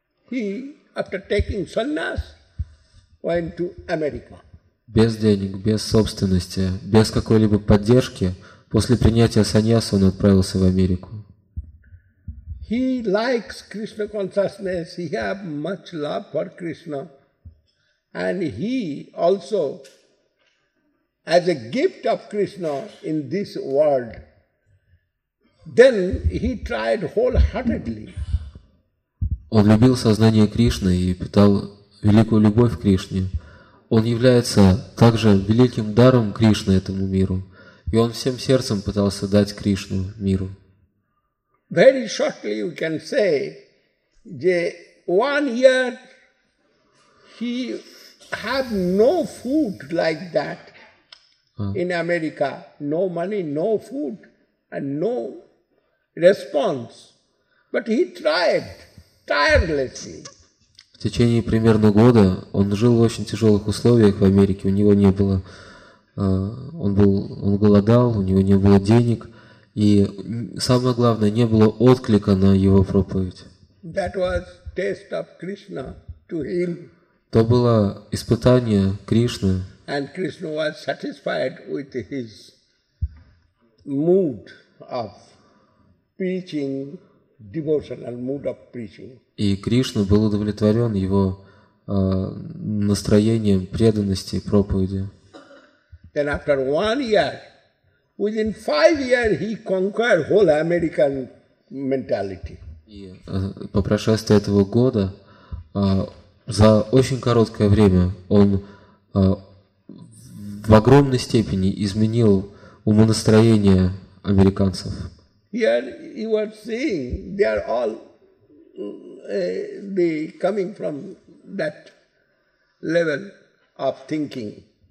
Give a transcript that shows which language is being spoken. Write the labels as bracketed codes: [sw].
[en] He, after taking sannyas, went to America. [ru] Без денег, без собственности, без какой-либо поддержки, после принятия саньяса он отправился в Америку. [en] He likes Krishna consciousness, he have much love for Krishna, and he also, as a gift of Krishna in this world, then he tried wholeheartedly. [ru] Он любил сознание Кришны и питал великую любовь к Кришне. Он является также великим даром Кришны этому миру, и он всем сердцем пытался дать Кришну миру. [en] Very shortly you can say, that 1 year he had no food like that in America, no money, no food, and no response. But he tried tirelessly. [ru] В течение примерно года он жил в очень тяжелых условиях в Америке. У него не было, он голодал, у него не было денег, и самое главное, не было отклика на его проповедь. [en] That was test of Krishna to him. [ru] То было испытание Кришны. [en] And Krishna was satisfied with his mood of preaching. Devotional mood of preaching. [ru] И Кришна был удовлетворен его настроением преданности проповеди. [en] Then after 1 year, within 5 years, he conquered whole American mentality. [ru] И по прошествии этого года за очень короткое время он в огромной степени изменил умонастроение американцев. [en] Here you are seeing they are all the coming from that level of thinking.